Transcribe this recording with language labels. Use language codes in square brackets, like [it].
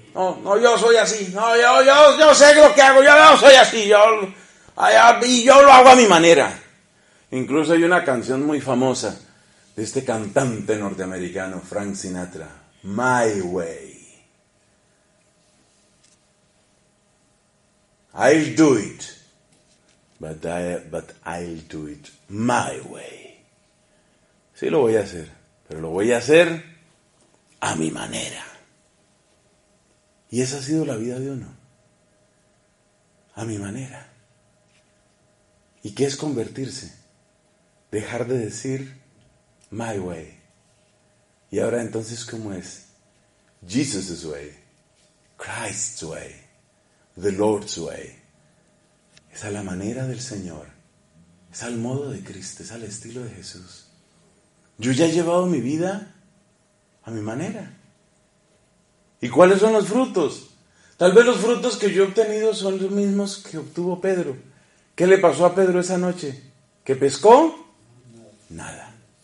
[es] No, yo soy así. No, yo sé lo que hago, yo no soy así. Yo lo hago a mi manera. Incluso hay una canción muy famosa de este cantante norteamericano, Frank Sinatra, My Way. [en] I'll do it, but I'll do it my way. [es] Sí lo voy a hacer, pero lo voy a hacer a mi manera. Y esa ha sido la vida de uno, a mi manera. ¿Y qué es convertirse? Dejar de decir, [en] my way. [es] Y ahora entonces, ¿cómo es? [en] Jesus' way, Christ's way, the Lord's way. [es] Es a la manera del Señor. Es al modo de Cristo, es al estilo de Jesús. Yo ya he llevado mi vida a mi manera. ¿Y cuáles son los frutos? Tal vez los frutos que yo he obtenido son los mismos que obtuvo Pedro. ¿Qué le pasó a Pedro esa noche? ¿Que pescó? Nada.